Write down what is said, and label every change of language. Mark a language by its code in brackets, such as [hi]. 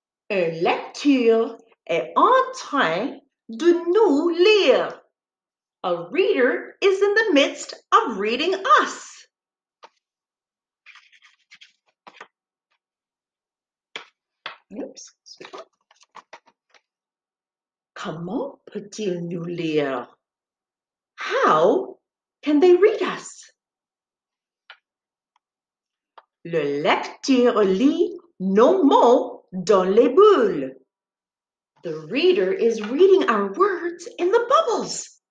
[fr] Un lecteur est en train de nous lire. [en] A reader is in the midst of reading us. Oops. [fr] Comment peut-il nous lire? [en] How can they read us? [fr] Le lecteur lit nos mots dans les bulles. [en] The reader is reading our words in the bubbles.